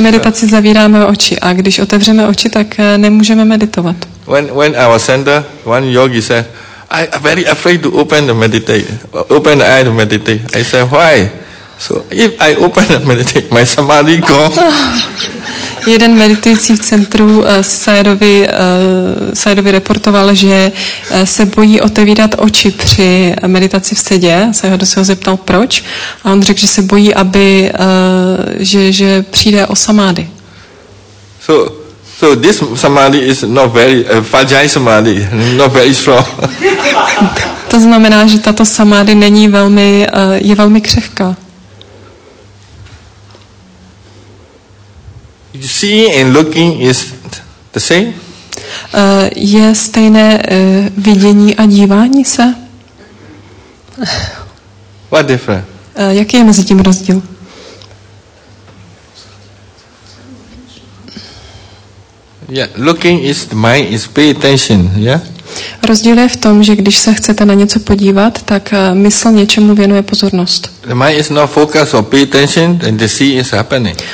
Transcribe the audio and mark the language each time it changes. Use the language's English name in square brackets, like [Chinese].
[Czech] meditaci zavíráme oči a když otevřeme oči, tak nemůžeme meditovat. [English] When I was center, one yogi said, I'm very afraid to open the eye to meditate. I said, why? So if I open the meditate, my samadhi gone. [Czech] Jeden meditující v centru Sayadovi reportoval, že se bojí otevírat oči při meditaci v sedě. Sayado se ho zeptal, proč. A on řekl, že se bojí, aby že přijde o samády. [English] So this samadhi is not very fragile samadhi, not very strong. [Czech] To znamená, že tato samády není velmi, je velmi křehká. [English] Seeing and looking is the same? [Czech] Je stejné vidění a dívání se? [English] What different? [Czech] Jaký je mezi tím rozdíl? [English] Yeah, looking is the mind is pay attention, yeah? [Czech] Rozdíl je v tom, že když se chcete na něco podívat, tak mysl něčemu věnuje pozornost. [English] The mind is not focused or pay attention, then the see is happening.